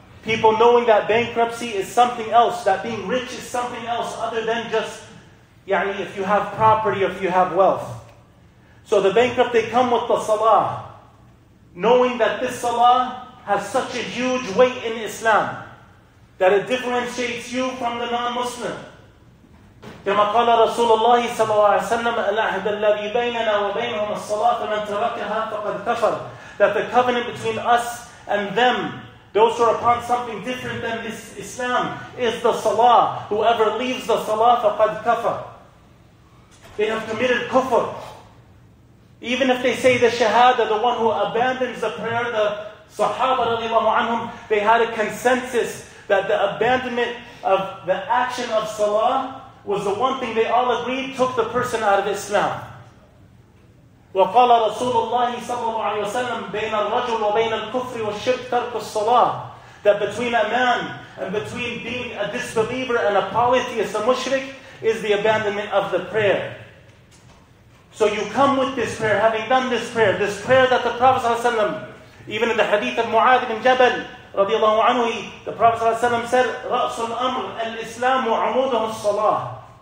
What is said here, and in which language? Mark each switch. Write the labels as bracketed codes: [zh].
[en] People knowing that bankruptcy is something else, that being rich is something else other than just, if you have property or if you have wealth. So the bankrupt, they come with the salah, knowing that this salah has such a huge weight in Islam, that it differentiates you from the non-Muslim. [ar] كما قال رسول الله صلى الله عليه وسلم الأحد الذي بيننا وبينهم الصلاة من تركها فقد كفر. [en] That the covenant between us and them, those who are upon something different than this Islam, is the salah. Whoever leaves the salah, [ar] faqad kafar. [en] They have committed kufr. Even if they say the shahada, the one who abandons the prayer, the sahaba radiallahu anhum, they had a consensus that the abandonment of the action of salah was the one thing they all agreed took the person out of Islam. [ar] وقال رسول الله صلى الله عليه وسلم بين الرجل وبين الكفر والشرك ترك الصلاة. [en] That between a man and between being a disbeliever and a polytheist, a mushrik, is the abandonment of the prayer. So you come with this prayer, having done this prayer that the Prophet ﷺ, even in the hadith of Mu'adh ibn Jabal رضي الله عنه, the Prophet ﷺ said, [ar] رأس الأمر الإسلام وعموده الصلاة.